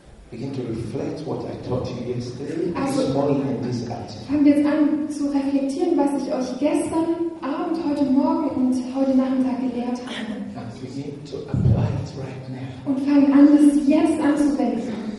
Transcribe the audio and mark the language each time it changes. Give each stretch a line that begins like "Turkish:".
English: Begin to reflect what I taught you yesterday, also, this morning and this afternoon.
German: Fangen wir jetzt an zu reflektieren, was ich euch gestern Abend, heute Morgen und heute Nachmittag gelehrt habe.
English: And begin to apply it right now.
German: Und fangen an, das jetzt anzuwenden.